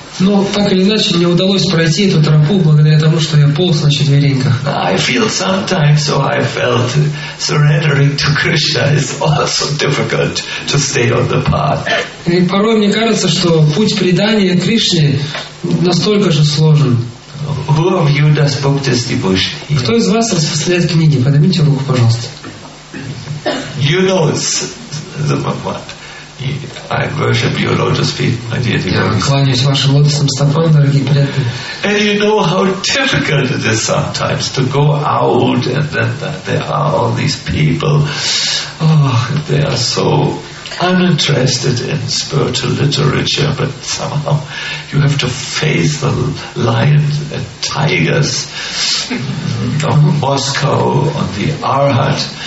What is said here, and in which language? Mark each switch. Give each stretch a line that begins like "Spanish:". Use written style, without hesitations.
Russian: Но так или иначе мне удалось пройти эту тропу благодаря тому, что я полз на четвереньках.
English: I feel sometimes, so I felt surrendering to Krishna is also difficult to stay on the path.
Russian: И порой мне кажется, что путь предания Кришне настолько же сложен.
English: Who of you does book distribution?
Russian: Кто из вас распространяет книги? Поднимите руку, пожалуйста.
English: You know it's the what? I worship your lotus feet, my dear devotees.
Russian: Я кланяюсь вашим лотосным стопам, дорогие преданные.
English: And you know how difficult it is sometimes to go out, and then there are all these people. Oh, they are so uninterested in spiritual literature, but somehow you have to face the lions and tigers of Moscow on the Arhat.